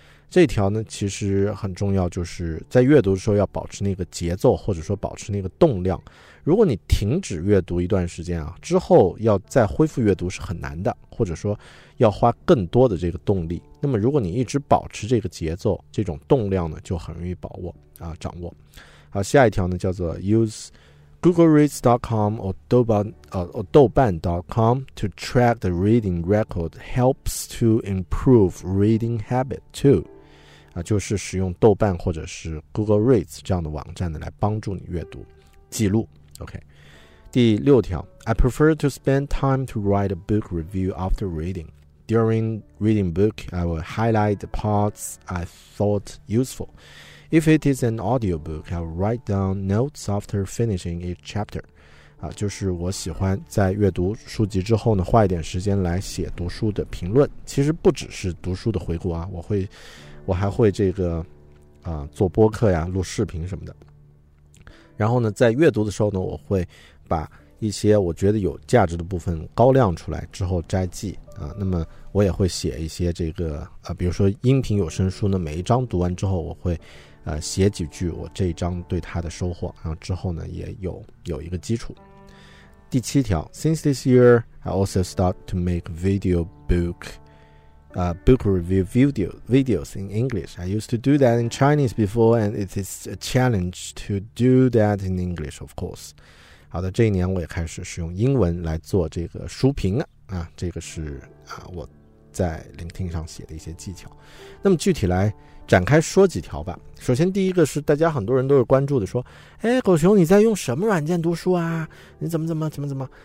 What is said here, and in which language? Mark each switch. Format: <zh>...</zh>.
<zh>这条呢其实很重要，就是在阅读的时候要保持那个节奏，或者说保持那个动量。如果你停止阅读一段时间啊，之后要再恢复阅读是很难的，或者说要花更多的这个动力。那么如果你一直保持这个节奏，这种动量呢就很容易保握啊掌握。</zh> <en>好，</en> <zh>下一条呢叫做</zh> <en>useGoogleReads.com or 豆瓣.com to track the reading record helps to improve reading habit too、</en> <zh>啊、就是使用豆瓣或者是 Google Reads 这样的网站来帮助你阅读记录、</zh> <en>okay、</en> <zh>第六条</zh> <en>I prefer to spend time to write a book review after reading. During reading book, I will highlight the parts I thought usefulIf it is an audiobook, I'll write down notes after finishing each chapter.、</en> <zh>啊、就是我喜欢在阅读书籍之后呢花一点时间来写读书的评论。其实不只是读书的回顾啊，我还会这个、做播客呀，录视频什么的。然后呢在阅读的时候呢，我会把一些我觉得有价值的部分高亮出来之后摘记、啊、那么我也会写一些这个、比如说音频有声书呢，每一章读完之后我会、写几句我这一章对它的收获，然后之后呢也 有一个基础。第七条</zh> <en>Since this year I also start to make video book、book review videos in English. I used to do that in Chinese before and it is a challenge to do that in English of course.</en> <zh>好的，这一年我也开始使用英文来做这个书评了啊，这个是啊我在聆听上写的一些技巧。那么具体来展开说几条吧。首先第一个是大家很多人都是关注的，说哎狗熊你在用什么软件读书啊，你怎么。</zh>